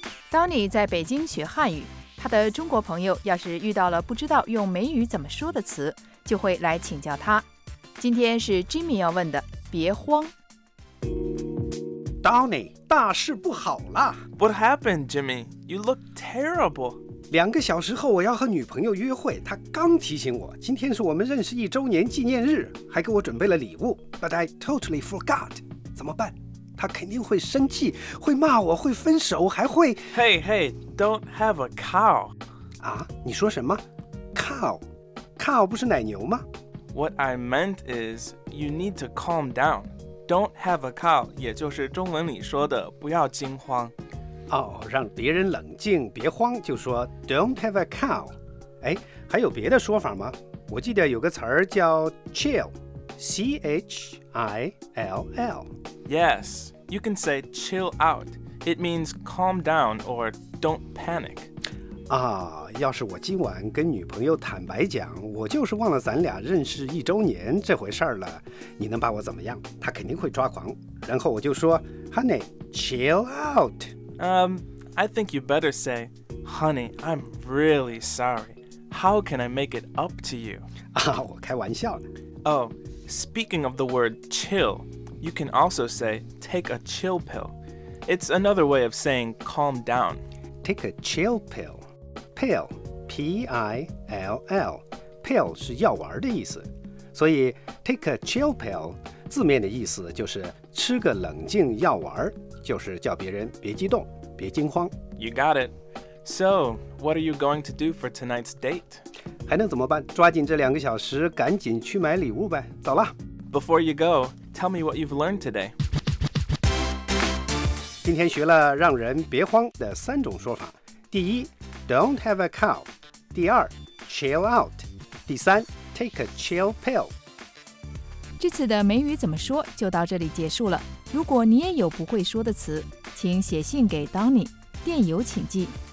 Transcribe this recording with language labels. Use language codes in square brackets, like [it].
[zh] 当你在北京学汉语，他的中国朋友要是遇到了不知道用美语怎么说的词，就会来请教他。今天是 Jimmy 要问的，别慌。 Donnie, 大事不好了。 [en] What happened, Jimmy? You look terrible. [zh] 两个小时后我要和女朋友约会，她刚提醒我，今天是我们认识一周年纪念日，还给我准备了礼物。 [en] But I totally forgot. [zh] 怎么办？她肯定会生气，会骂我，会分手，还会…… [en] Hey, hey, don't have a cow. [zh] 啊，你说什么 ？Cow? Cow 不是奶牛吗？ [en] What I meant is, you need to calm down. Don't have a cow, [zh] 也就是中文里说的不要惊慌。哦，让别人冷静，别慌，就说 [en] don't have a cow. [zh] 哎，还有别的说法吗？我记得有个词儿叫 chill, C-H-I-L-L. [en] Yes, you can say chill out. It means calm down or don't panic. [zh] 啊，要是我今晚跟女朋友坦白讲，我就是忘了咱俩认识一周年这回事了，你能把我怎么样？她肯定会抓狂。然后我就说 ， [en] Honey, chill out. I think you better say, Honey, I'm really sorry. How can I make it up to you? [zh] 啊，我开玩笑呢。 [en] Oh, speaking of the word chill, you can also say take a chill pill. It's another way of saying calm down. Take a chill pill.Pill, P [zh] P-I-L-L Pill 是药丸的意思，所以 [en] take a chill pill [zh] 字面的意思就是吃个冷静药丸，就是叫别人别激动别惊慌。 [en] You got it. So what are you going to do for tonight's date? [zh] 还能怎么办，抓紧这两个小时赶紧去买礼物呗，走了。 [en] Before you go, tell me what you've learned today. [zh] 今天学了让人别慌的三种说法，第一 [en] don't have a cow， [zh] 第二 [en] chill out， [zh] 第三 [en] take a chill pill。 [zh] 这次的美语怎么说就到这里结束了。如果你也有不会说的词，请写信给 Donny， 电邮请寄